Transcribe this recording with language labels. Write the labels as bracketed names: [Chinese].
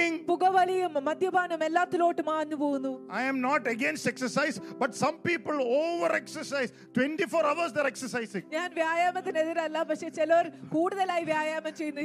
[Malayalam] പുകവലിയും മദ്യപാനം എല്ലാത്തിലോട്ട് മാഞ്ഞു പോകുന്നു. [English] I am not against exercise, but some people over exercise. 24 hours they're exercising. [Malayalam] ഞാൻ വ്യായാമത്തിനെതിരല്ല, പക്ഷേ ചിലർ കൂടുതലായി വ്യായാമം ചെയ്യുന്നു.